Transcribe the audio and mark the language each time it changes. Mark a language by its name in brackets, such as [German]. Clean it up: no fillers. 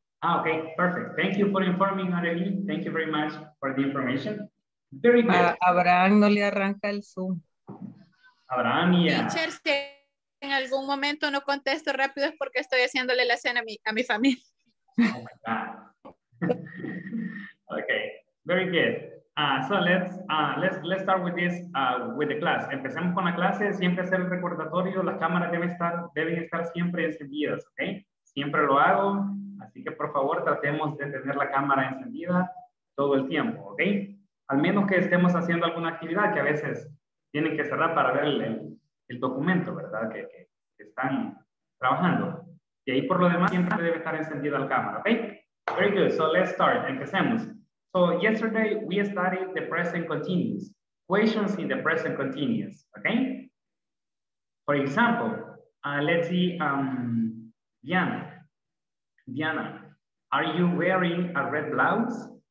[English] Ah, ok, perfect. Thank you for informing, Arely. Thank you very much for the information. Very good. [Spanish] Abraham no le arranca el Zoom. Abraham y... Teacher, si en algún momento no contesto rápido es porque estoy haciéndole la cena a mi familia. [English] Oh, my God. Ok, very good. So let's start with this with the class. [Spanish] Empecemos con la clase. Siempre hacer el recordatorio. Las cámaras deben estar siempre encendidas, ¿ok? Siempre lo hago. Así que por favor tratemos de tener la cámara encendida todo el tiempo, ¿ok? Al menos que estemos haciendo alguna actividad que a veces tienen que cerrar para ver el documento, ¿verdad? Que están trabajando. Y ahí por lo demás siempre debe estar encendida la cámara, ¿ok? [English] Very good. So let's start. [Spanish] Empecemos. [English] So yesterday we studied the present continuous, questions in the present continuous, okay? For example, let's see, Diana. Diana, are you wearing a red blouse?